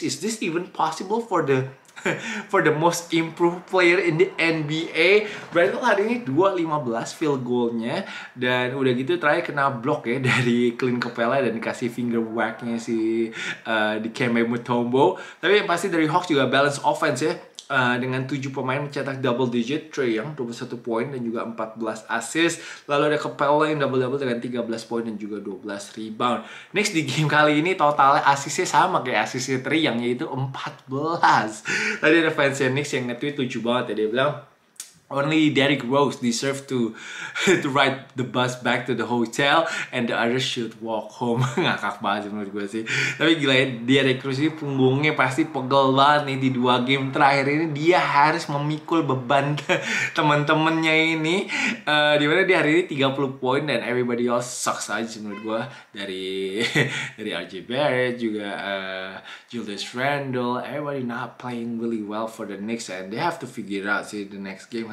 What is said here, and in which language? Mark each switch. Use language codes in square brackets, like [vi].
[en] Is this even possible for the most improved player in the NBA? [id] Randle hari ini 2-15 field goal-nya, dan udah gitu try kena block ya dari Clint Capela dan dikasih finger whack-nya si Dikembe Mutombo. Tapi yang pasti dari Hawks juga balance offense ya, dengan 7 pemain mencetak double digit, Trae Young 21 poin dan juga 14 assist. Lalu ada Capela yang double-double dengan 13 poin dan juga 12 rebound. Next di game kali ini totalnya assistnya sama kayak assistnya Trae Young, yaitu 14. Tadi ada fansnya Knicks yang nge-tweet lucu banget ya, dia bilang [en] only Derrick Rose deserve to ride the bus back to the hotel and the others should walk home. [id] Ngakak banget sih menurut gue sih. Tapi gila ya, Derrick Rose ini punggungnya pasti pegel banget nih di 2 game terakhir ini. Dia harus memikul beban teman-temannya ini. Dimana dia hari ini 30 poin dan [en] everybody else sucks [id] aja sih menurut gue. [en] Dari RJ Barrett, juga Julius Randle, everybody not playing really well for the Knicks and they have to figure out sih the next game.